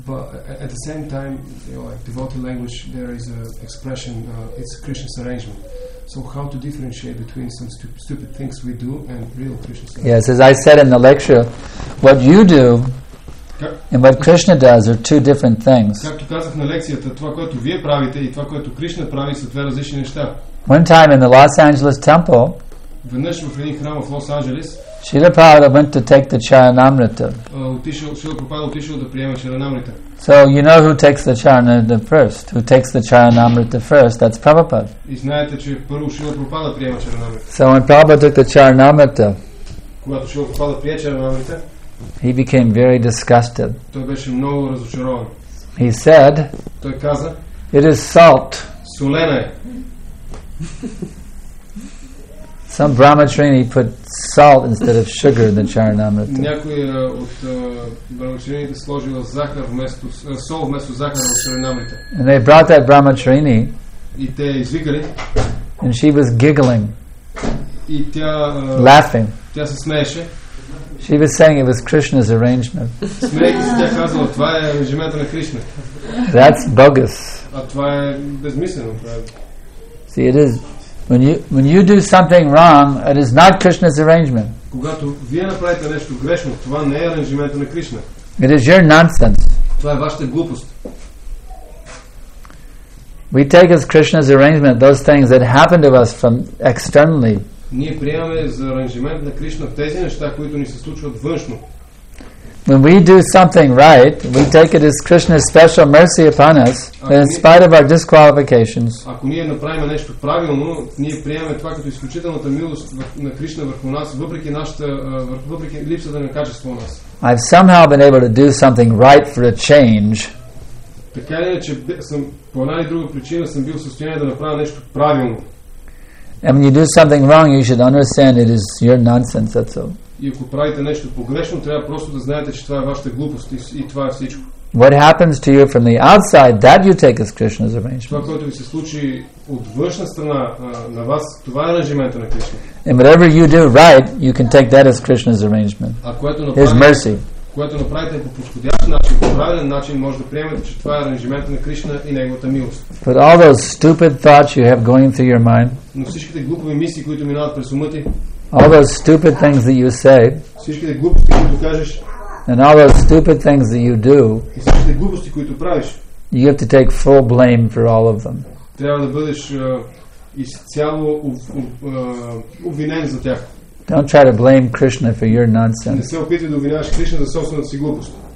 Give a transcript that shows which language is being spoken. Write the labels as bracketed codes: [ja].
[en] But at the same time, you know, like devotee language, there is an expression, it's Krishna's arrangement. So how to differentiate between some stupid things we do and real Krishna's arrangement? Yes, as I said in the lecture, what you do and what Krishna does are two different things. [bg] Както казах на лекцията, това, което вие правите и това, което Кришна прави, са две различни неща. [en] One time in the Los Angeles temple, [bg] веднъж в един храм в Лос Анджелес, [en] Шрила Прабхупада went to take the Чаранамрита. [bg] Шрила Прабхупада отишъл да приема Чаранамрита. [en] So you know who takes the Чаранамрита first? Who takes the Чаранамрита first? That's Prabhupada. [bg] И знаете, че първо Шрила Прабхупада приема Чаранамрита. [en] So when Prabhupada took the Чаранамрита, [bg] когато Шрила Прабхупада прие Чаранамрита, [en] he became very disgusted. [bg] Той беше много разочарован. [en] He said, [bg] той каза, [en] it is salt. [bg] Солена е. [en] Some brahmacharini put salt instead of sugar in the charanamrita. [bg] Някой от брахмачарините сложил захар вместо сол вместо захар в charanamrita. [en] And they brought that brahmacharini. [bg] И те извикали. [en] And she was giggling. [bg] И тя [en] laughing. [bg] Тя се смееше. [en] She was saying it was Krishna's arrangement. [bg] Смеейки се, тя казала, това е ангажиментът на Кришна. [en] That's bogus. [bg] А това е безмислено. [en] See, it is when you do something wrong, it is not Krishna's arrangement. [bg] Когато вие направите нещо грешно, това не е аранжиментът на Кришна. [en] It is your nonsense. [bg] Това е вашата глупост. [en] We take as Krishna's arrangement those things that happen to us from externally. [bg] Ние приемаме за аранжимент на Кришна тези неща, които ни се случват външно. [en] When we do something right, we take it as Krishna's special mercy upon us, in spite of our disqualifications. [bg] Ако ние направим нещо правилно, ние приемаме това като изключителната милост на Кришна върху нас, въпреки нашата въпреки липсата на качество у нас. [en] I've somehow been able to do something right for a change. [bg] Така ли е, че съм по една или друга причина съм бил в състояние да направя нещо правилно. [en] And when you do something wrong, you should understand it is your nonsense, that's all. [bg] И ако правите нещо погрешно, трябва просто да знаете, че това е вашата глупост и това е всичко. [en] What happens to you from the outside, that you take as Krishna's arrangement. [bg] Това, което ви се случи от външна страна на вас, това е аранжиментът на Кришна. [en] And whatever you do right, you can take that as Krishna's arrangement. [bg] А което [en] His mercy. [bg] Което направите по подходящ начин, по правилен начин, може да приемете, че това е аранжиментът на Кришна и Неговата милост. [en] But all those stupid thoughts you have going through your mind, [bg] но всичките глупови мисли, които минават през ума ти, [en] all those stupid things that you say, [bg] всичките глупости, които кажеш, [en] and all those stupid things that you do, [bg] и всичките глупости, които правиш, [en] you have to take full blame for all of them. [bg] Трябва да бъдеш изцяло обвинен за тях. [en] Don't try to blame Krishna for your nonsense. [bg] Не се опитвай да обвиняваш Кришна за собствената си глупост.